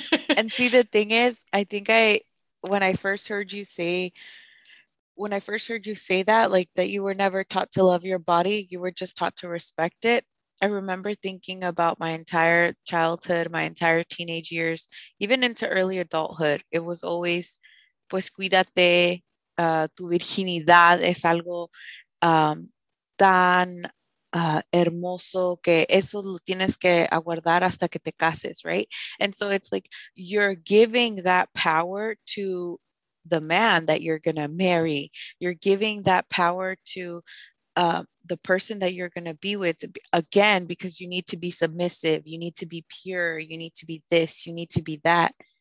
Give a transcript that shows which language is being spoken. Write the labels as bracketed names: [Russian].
[English] And see, the thing is, I think when I first heard you say that, like, that you were never taught to love your body, you were just taught to respect it. I remember thinking about my entire childhood, my entire teenage years, even into early adulthood. It was always, [Spanish] pues cuídate, tu virginidad es algo tan hermoso que eso lo tienes que aguardar hasta que te cases, right? [English] And so it's like, you're giving that power to the man that you're going to marry. You're giving that power to the person that you're going to be with, again, because you need to be submissive. You need to be pure. You need to be this, you need to be that.